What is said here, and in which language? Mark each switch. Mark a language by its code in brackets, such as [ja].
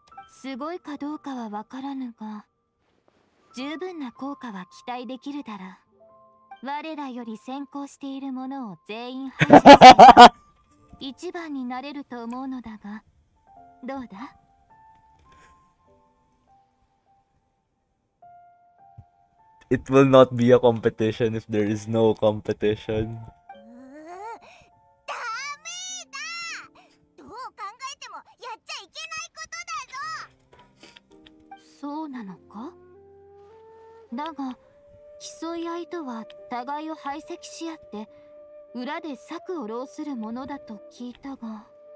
[ja] すごいかどうかは分からぬが、十分な効果は期待できるだろう。我らより先行しているものを全員排除する。一番になれると思うのだが、どうだ？ [en] It will not be a competition if there is no competition. [ja] ダメだ！どう考えてもやっちゃいけないこと。そうなのか。だが競い合いとは互いを排斥し合って裏で策を弄するものだと聞いたが。